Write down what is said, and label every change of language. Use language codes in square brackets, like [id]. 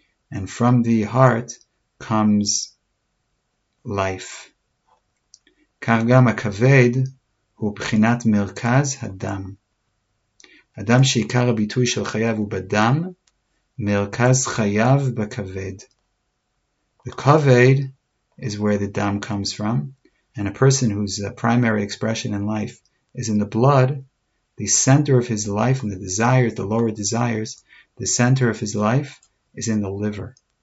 [en] And from the heart comes life. [he] כך גם הכבד הוא בחינת מרכז הדם. הדם שעיקר הביטוי של חייו הוא בדם, מרכז חייו בכבד. [en] The kaved is where the dam comes from, and a person whose primary expression in life is in the blood, the center of his life and the desires, the lower desires, the center of his life is in the liver.